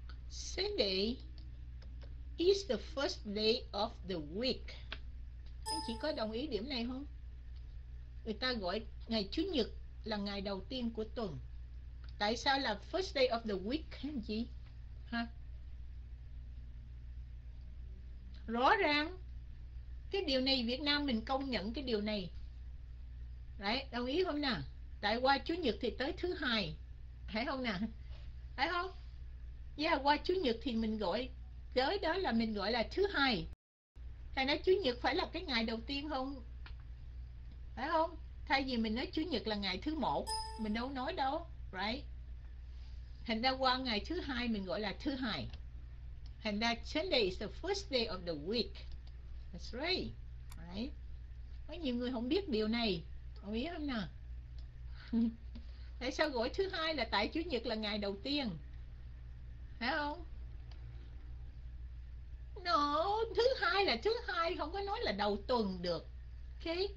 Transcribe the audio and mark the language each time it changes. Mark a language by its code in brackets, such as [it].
[en] Sunday is the first day of the week. [vi] Anh chị có đồng ý điểm này không? Người ta gọi ngày Chủ nhật là ngày đầu tiên của tuần. Tại sao là [en] first day of the week [vi] anh chị? Ha? Rõ ràng cái điều này Việt Nam mình công nhận cái điều này. Đấy, đồng ý không nè? Tại qua Chủ nhật thì tới thứ hai. Phải không nè? Phải không? Yeah, qua Chủ nhật thì mình gọi tới đó là mình gọi là thứ hai. Thầy nói Chủ nhật phải là cái ngày đầu tiên không? Phải không? Thay vì mình nói Chủ nhật là ngày thứ một, mình đâu nói đâu, right? Thành ra qua ngày thứ hai mình gọi là thứ hai. Thành ra [en] Sunday is the first day of the week. That's right, right? [vi] Có nhiều người không biết điều này, không biết không nào? Tại sao gọi thứ hai là tại Chủ nhật là ngày đầu tiên? Phải không? No, thứ hai là thứ hai, không có nói là đầu tuần được. Ok.